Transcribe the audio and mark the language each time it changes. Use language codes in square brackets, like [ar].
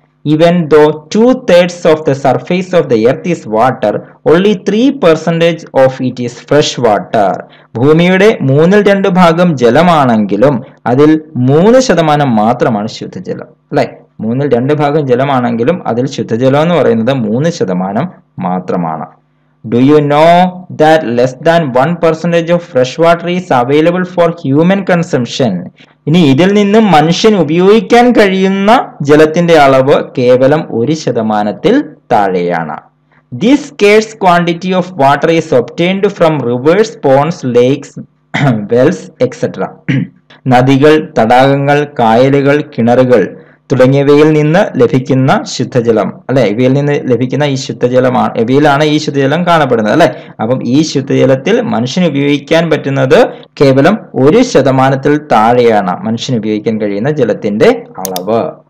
[en] Even though 2/3 of the surface of the earth is water, only 3% of it is fresh water. [ml] ഭൂമിയുടെ 2/3 ജലമാണെങ്കിലും അതിൽ 3% മാത്രമാണ് ശുദ്ധജലം അല്ലെ. 2/3 ജലമാണെങ്കിലും അതിൽ ശുദ്ധജലം എന്ന് പറയുന്നത് 3% മാത്രമാണ്. [en] Do you know that less than 1% of fresh water is available for human consumption? [ml] ഇനി ഇതിൽ നിന്നും മനുഷ്യൻ ഉപയോഗിക്കാൻ കഴിയുന്ന ജലത്തിന്റെ അളവ് കേവലം 1% താഴെയാണ്. [en] This scarce quantity of water is obtained from rivers, ponds, lakes, wells, etc. [ml] നദികൾ, തടാകങ്ങൾ, കായലുകൾ, കിണറുകൾ തുടങ്ങിയവയിൽ നിന്ന് ലഭിക്കുന്ന ശുദ്ധജലം അല്ലെ. ഇവയിൽ നിന്ന് ലഭിക്കുന്ന ഈ ശുദ്ധജലമാണ്, ഇവയിലാണ് ഈ ശുദ്ധജലം കാണപ്പെടുന്നത് അല്ലെ. അപ്പം ഈ ശുദ്ധജലത്തിൽ മനുഷ്യന് ഉപയോഗിക്കാൻ പറ്റുന്നത് കേവലം 1% താഴെയാണ് മനുഷ്യന് ഉപയോഗിക്കാൻ കഴിയുന്ന ജലത്തിന്റെ അളവ്.